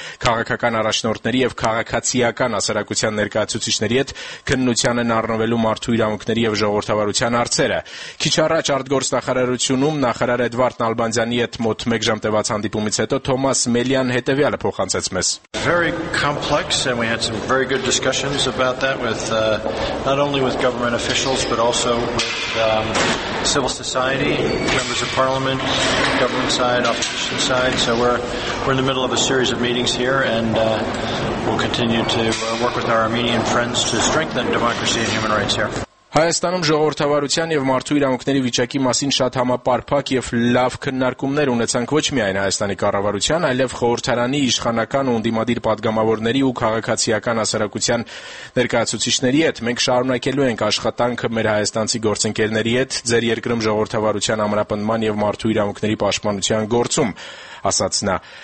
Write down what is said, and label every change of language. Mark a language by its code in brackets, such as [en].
[hy] քաղաքական առաջնորդների եւ քաղաքացիական հասարակության ներկայացուցիչների հետ քննության են առնվելու մարդու իրավունքների եւ ժողովրդավարության հարցերը։ Քիչ առաջ արտգործնախարարությունում նախարար Էդվարդ Նալբանդյանի հետ մոտ 1 ժամ տևած հանդիպումից հետո Թոմաս Մելյան հետեւյալը փոխանցեց մեզ. [en] Very complex and we had some very good discussions about that with not only with government officials but also civil society, members of parliament, government side, opposition side. So we're in the middle of a series of meetings here and we'll continue to work with our Armenian friends to strengthen democracy and human rights here. [hy] Հայաստանում ժողովրդավարության եւ մարդու իրավունքների վիճակի մասին շատ համապարփակ եւ լավ քննարկումներ ունեցան ոչ միայն Հայաստանի կառավարության, այլեւ խորհրդարանի իշխանական ու ընդդիմադիր падգամավորների ու քաղաքացիական հասարակության ներկայացուցիչների հետ։ Մենք շարունակելու ենք աշխատանքը մեր հայաստանցի գործընկերների հետ ձեր երկրում ժողովրդավարության ամրապնդման եւ մարդու իրավունքների պաշտպանության գործում, ասաց նա։